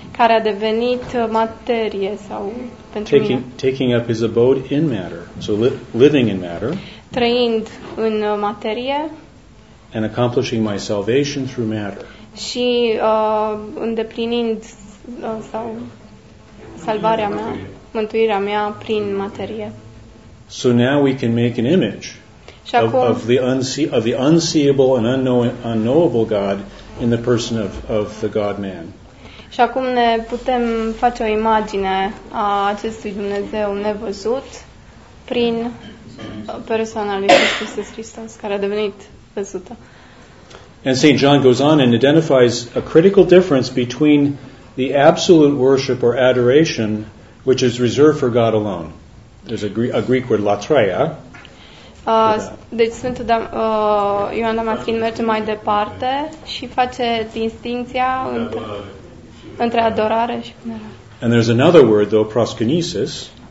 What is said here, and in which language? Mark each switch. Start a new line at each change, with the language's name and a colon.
Romanian: Care a devenit materie sau pentru
English: taking,
Romanian: mine.
English: Taking up his abode in matter. So living in matter.
Romanian: Trăind în materie.
English: And accomplishing my salvation through matter.
Romanian: Și îndeplinind sau salvarea mea, mântuirea mea prin materie.
English: So now we can make an image. Of the unseeable and unknowable God in the person of the God-man.
Romanian: Și acum ne putem face o imagine a acestui Dumnezeu nevăzut prin persoana lui Iisus Hristos, care a devenit văzută.
English: And St. John goes on and identifies a critical difference between the absolute worship or adoration, which is reserved for God alone. There's a Greek word, latreia.
Romanian: Deci Sfântul Ioan Damaschin merge mai departe și face distinția între adorare și punerea.
English: And there's another word, though, proskinesis.